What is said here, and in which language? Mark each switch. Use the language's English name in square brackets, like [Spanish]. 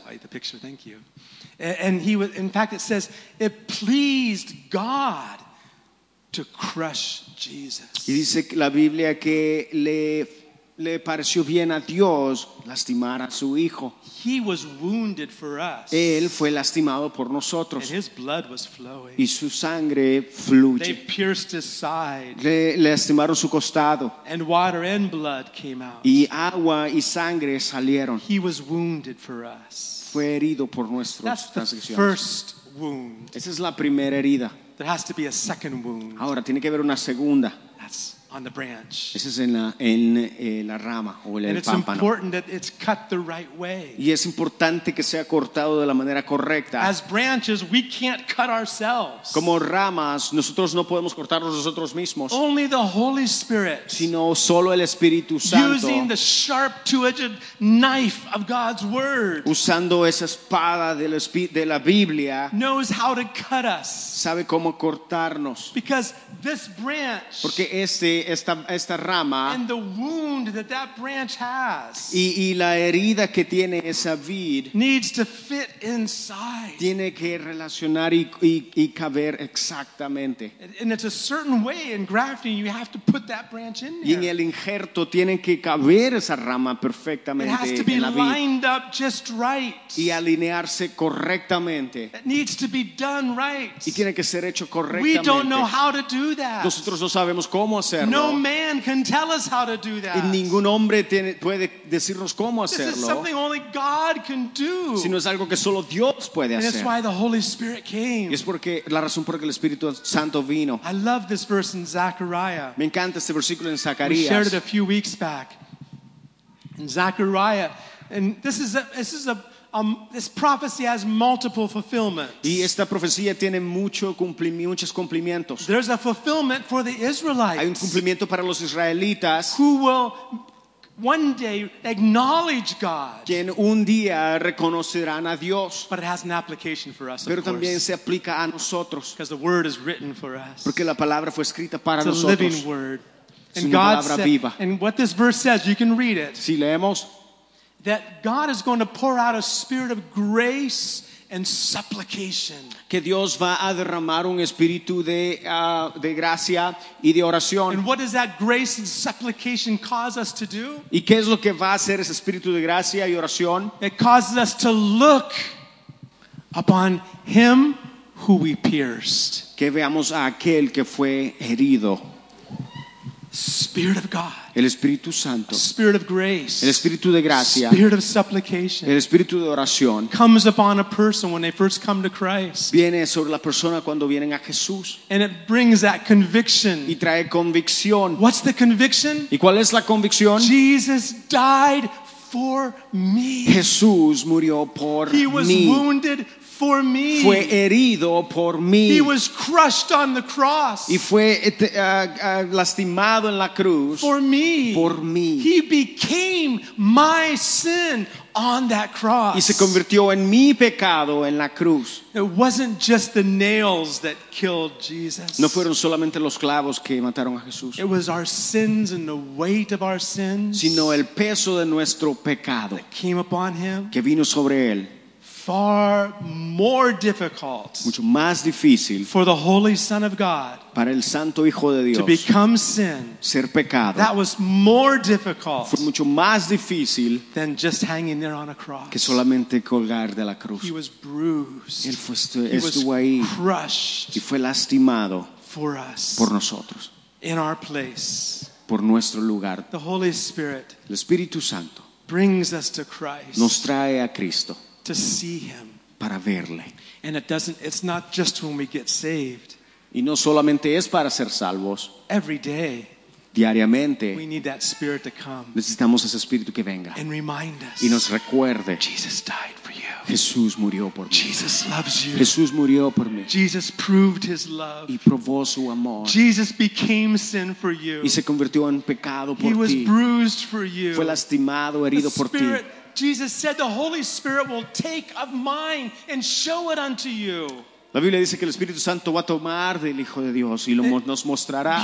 [English] I like the picture, thank you. And he was, in fact, it says, it pleased God to crush Jesus. [Spanish] Y dice la Biblia que le pareció bien a Dios lastimar a su hijo. [English] He was wounded for us. [Spanish] Él fue lastimado por nosotros. [English] And his blood was flowing. [Spanish] Y su sangre fluye. [English] They pierced his side. [Spanish] Le lastimaron su costado. [English] And water and blood came out. [Spanish] Y agua y sangre salieron. [English] He was wounded for us. [Spanish] Fue herido por nuestras transgresiones. [English] That's the first wound. [Spanish] Esa es la primera herida. [English] There has to be a second wound. [Spanish] Ahora tiene que haber una segunda. [English] That's on the branch. [Spanish] Esa es en la rama o el pámpano. [English] And it's important that it's cut the right way. [Spanish] Y es importante que sea cortado de la manera correcta. [English] As branches, we can't cut ourselves. [Spanish] Como ramas, nosotros no podemos cortarnos nosotros mismos. [English] Only the Holy Spirit. [Spanish] Sino solo el Espíritu Santo. [English] Using the sharp two-edged knife of God's word. [Spanish] Usando esa espada de la Biblia. [English] Knows how to cut us. [Spanish] Sabe cómo cortarnos. [English] Because this branch. [Spanish] Porque este esta rama [English] and the wound that that branch has [Spanish] y la herida que tiene esa vid [English] needs to fit inside. [Spanish] Tiene que relacionar y caber exactamente. [English] And it's a certain way in grafting, you have to put that branch in there. [Spanish] Y en el injerto tiene que caber esa rama perfectamente. [English] It has to be lined up just right. [Spanish] Y alinearse correctamente. [English] It needs to be done right. [Spanish] Y tiene que ser hecho correctamente. [English] We don't know how to do that. [Spanish] Nosotros no sabemos cómo hacerlo. [English] No man can tell us how to do that. [Spanish] Y ningún hombre puede decirnos cómo hacerlo. [English] This is something only God can do. [Spanish] Sino es algo que solo Dios puede hacer. [English] And that's why the Holy Spirit came. [Spanish] Y es porque la razón por la que el Espíritu Santo vino. [English] I love this verse in Zechariah. [Spanish] Me encanta este versículo en Zacarías. [English] We shared it a few weeks back. In Zechariah, and this prophecy has multiple fulfillments. [Spanish] Y esta profecía tiene muchos cumplimientos. [English] There's a fulfillment for the Israelites. [Spanish] Hay un cumplimiento para los israelitas. [English] Who will one day acknowledge God? [Spanish] Quien un día reconocerán a Dios. [English] But it has an application for us. [Spanish] Pero también se aplica a nosotros. [English] Because the word is written for us. [Spanish] Porque la palabra fue escrita para [English] it's [Spanish] nosotros. [English] A living word. And God said, and what this verse says, you can read it. [Spanish] Si leemos, [English] that God is going to pour out a spirit of grace and supplication. [Spanish] Que Dios va a derramar un espíritu de gracia y de oración. [English] And what does that grace and supplication cause us to do? [Spanish] ¿Y qué es lo que va a hacer ese espíritu de gracia y oración? [English] It causes us to look upon him who we pierced. [Spanish] Que veamos a aquel que fue herido. [English] Spirit of God, [Spanish] el Espíritu Santo, [English] a spirit of grace, [Spanish] el Espíritu de gracia, [English] spirit of supplication, [Spanish] el Espíritu de oración, [English] comes upon a person when they first come to Christ. [Spanish] Viene sobre la persona cuando vienen a Jesús. [English] And it brings that conviction. [Spanish] Y trae convicción. [English] What's the conviction? [Spanish] ¿Y cuál es la convicción? [English] Jesus died for me. [Spanish] Jesús murió por mí. [English] He was wounded for me. [Spanish] Fue herido por mí. [English] He was crushed on the cross. [Spanish] Y fue lastimado en la cruz. [English] For me. [Spanish] Por mí. [English] He became my sin on that cross. [Spanish] Y se convirtió en mi pecado en la cruz. [English] It wasn't just the nails that killed Jesus. [Spanish] No fueron solamente los clavos que mataron a Jesús. [English] It was our sins and the weight of our sins. [Spanish] Sino el peso de nuestro pecado. [English] That came upon him. [Spanish] Que vino sobre él. [English] Far more difficult, [Spanish] mucho más difícil, [English] for the Holy Son of God, [Spanish] para el Santo Hijo de Dios, [English] to become sin, [Spanish] ser pecado. [English] That was more difficult, [Spanish] fue mucho más difícil, [English] than just hanging there on a cross, [Spanish] que solamente colgar de la cruz. [English] He was bruised, [Spanish] él fue estuvo ahí, [English] crushed, [Spanish] y fue lastimado, [English] for us, [Spanish] por nosotros, [English] in our place, [Spanish] por nuestro lugar. [English] The Holy Spirit, [Spanish] el Espíritu Santo, [English] brings us to Christ, [Spanish] nos trae a Cristo. [English] To see him. [Spanish] Para verle. [English] And it's not just when we get saved. [Spanish] Y no solamente es para ser salvos. [English] Every day. [Spanish] Diariamente. [English] We need that spirit to come. [Spanish] Necesitamos ese espíritu que venga. [English] And remind us. [Spanish] Y nos recuerde. [English] Jesus died for you. [Spanish] Jesús murió por mí. [English] Jesus loves you. [Spanish] Jesús murió por mí. [English] Jesus proved his love. [Spanish] Y probó su amor. [English] Jesus became sin for you. [Spanish] Y se convirtió en pecado por ti. [English] He was bruised for you. [Spanish] Fue lastimado, herido por ti. [English] Jesus said the Holy Spirit will take of mine and show it unto you. [Spanish] La Biblia dice que el Espíritu Santo va a tomar del Hijo de Dios y nos mostrará.